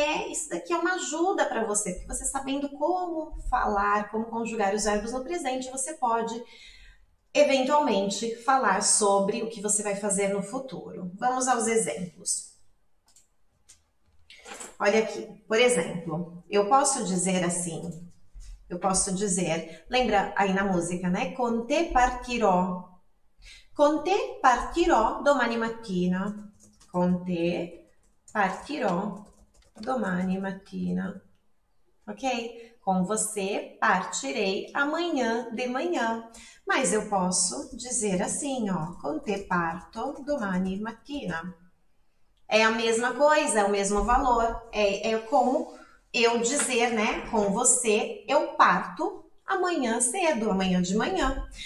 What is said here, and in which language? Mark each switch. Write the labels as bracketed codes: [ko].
[pt] Isso daqui é uma ajuda para você, porque você sabendo como falar, como conjugar os verbos no presente, você pode eventualmente falar sobre o que você vai fazer no futuro. Vamos aos exemplos. Olha aqui, por exemplo, eu posso dizer assim, eu posso dizer, lembra aí na música, né? [it] Con te partirò. Con te partirò domani mattina. Con te partirò domani mattina. [pt] Ok? Com você partirei amanhã de manhã. Mas eu posso dizer assim, ó, [it] con te parto domani mattina. [pt] É a mesma coisa, é o mesmo valor. É como eu dizer, né, com você, eu parto amanhã cedo, amanhã de manhã.